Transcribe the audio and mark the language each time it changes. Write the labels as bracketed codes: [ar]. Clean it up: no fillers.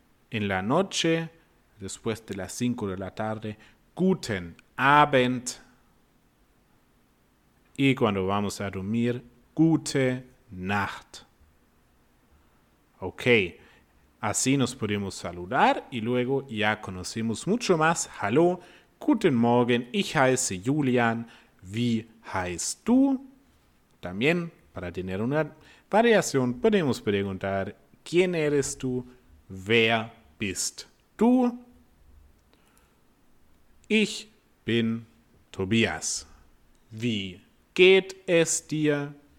[es] En la noche, después de las 5 de la tarde, [de] guten Abend. [es] Y cuando vamos a dormir, [de] gute Nacht. [es] Ok, así nos podemos saludar y luego ya conocemos mucho más. [de] Hallo, guten Morgen, ich heiße Julian, wie heißt du? [es] También, para tener una variación, podemos preguntar, ¿quién eres tú? [de] ¿Wer bist du? Ich bin Tobias. Wie geht es dir?